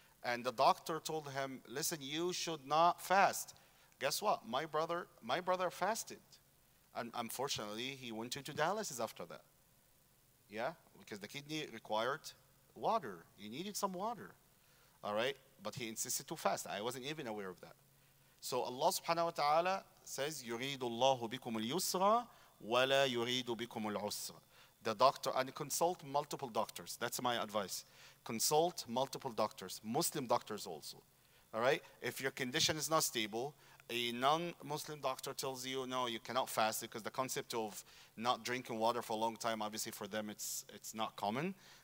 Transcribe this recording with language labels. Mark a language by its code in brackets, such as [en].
[en] And the doctor told him, listen, you should not fast. Guess what? My brother fasted. And unfortunately, he went into dialysis after that. Yeah? Because the kidney required water. You needed some water. All right? But he insisted to fast. I wasn't even aware of that. So Allah subhanahu wa ta'ala says, [ar] يُرِيدُ اللَّهُ بِكُمُ الْيُسْرَ وَلَا يُرِيدُ بِكُمُ الْعُسْرَ. [en] The doctor, and consult multiple doctors. That's my advice. Consult multiple doctors, Muslim doctors also. All right? If your condition is not stable, a non-Muslim doctor tells you, no, you cannot fast because the concept of not drinking water for a long time, obviously for them, it's not common.